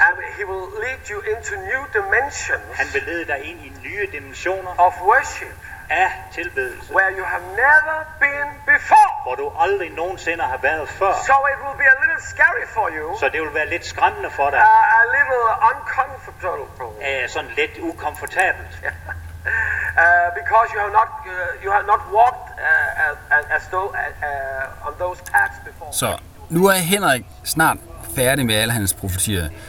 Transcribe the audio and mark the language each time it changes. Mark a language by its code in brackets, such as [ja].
[en] And he will lead you into new dimensions, [da] han vil lede dig ind i nye dimensioner, [en] of worship, [da] af tilbedelse, [en] where you have never been before. [da] Hvor du aldrig nogensinde har været før. [en] So it will be a little scary for you. [da] Så det vil være lidt skræmmende for dig. [en] A little uncomfortable. [da] Sådan lidt ukomfortabelt. [en] Because you have not walked as though on those paths before. [da] Så nu er Henrik snart færdig med alle hans profetier.